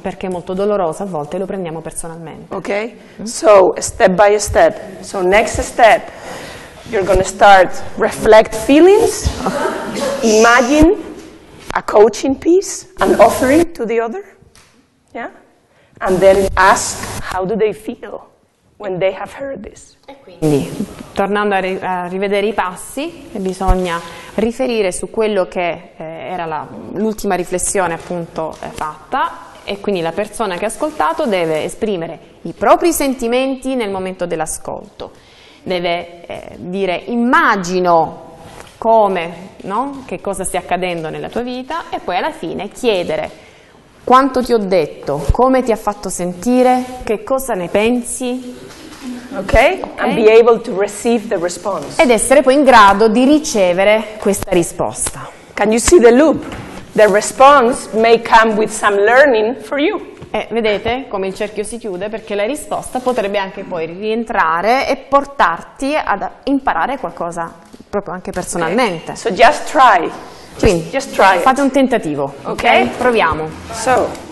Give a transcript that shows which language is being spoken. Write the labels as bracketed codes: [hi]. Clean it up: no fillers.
[it] Perché è molto doloroso a volte e lo prendiamo personalmente. [en] Okay? So, step by step. So, next step, you're going to start reflect feelings. Imagine a coaching piece, an offering to the other. Yeah? And then ask how do they feel when they have heard this. [it] E quindi, tornando a rivedere i passi, bisogna riferire su quello che era l'ultima riflessione appunto fatta, e quindi la persona che ha ascoltato deve esprimere i propri sentimenti nel momento dell'ascolto. Deve dire immagino come, no? Che cosa stia accadendo nella tua vita, e poi alla fine chiedere quanto ti ho detto, come ti ha fatto sentire, che cosa ne pensi, [en] okay? Okay. And be able to receive the response. [it] Ed essere poi in grado di ricevere questa risposta. [en] Can you see the loop? The response may come with some learning for you. [it] Vedete come il cerchio si chiude, perché la risposta potrebbe anche poi rientrare e portarti ad imparare qualcosa proprio anche personalmente. [en] Okay. So just try. [it] Quindi, [en] just try it. [it] Fate un tentativo, [en] okay? Ok? [it] Proviamo. [en] So,